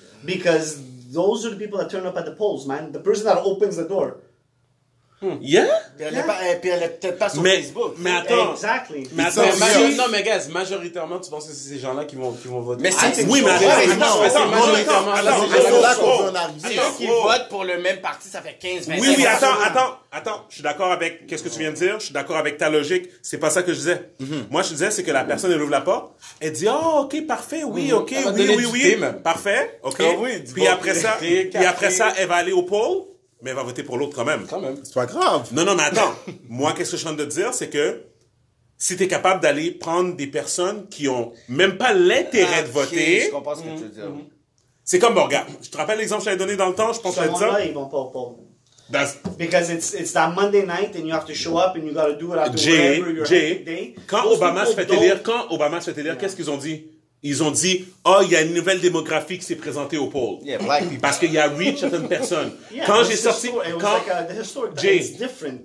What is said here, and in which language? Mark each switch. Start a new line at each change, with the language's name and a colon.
English: Because those are the people that turn up at the polls, man. The person that opens the door. Hmm. Yeah?
French: Puis elle est peut-être pas sur Facebook. Non, mais guys, majoritairement, tu penses que c'est ces gens-là qui vont voter? Mais c'est oui, mais attends, c'est majoritairement là qu'on veut en arriver. Qui votent pour le même parti, ça fait 15-20 ans. Oui, attends. Je suis d'accord avec qu'est-ce que tu viens de dire. Je suis d'accord avec ta logique. C'est pas ça que je disais. Moi, je disais, c'est que la personne, elle ouvre la porte. Elle dit, oh, OK, parfait. Oui, OK, oui. Parfait. OK. Puis après ça, elle va aller au pôle. Mais elle va voter pour l'autre quand même. C'est pas grave. Non, mais attends. Moi, qu'est-ce que je tente de dire, c'est que si t'es capable d'aller prendre des personnes qui ont même pas l'intérêt de voter... Je comprends ce que tu veux dire. C'est comme, bon, regarde, je te rappelle l'exemple que j'avais donné dans le temps, je pense à ça. Ils vont pas au pôle.
English: Because it's that Monday night and you have to show up and you gotta do it after
French: quand Obama se fait élire, qu'est-ce qu'ils ont dit? Ils ont dit, oh, il y a une nouvelle démographie qui s'est présentée au pôle.
English: Yeah, black people.
French: Parce qu'il y a 8 certaines personnes. Yeah, quand j'ai sorti.
English: It was quand, like a historic Jay, it's different.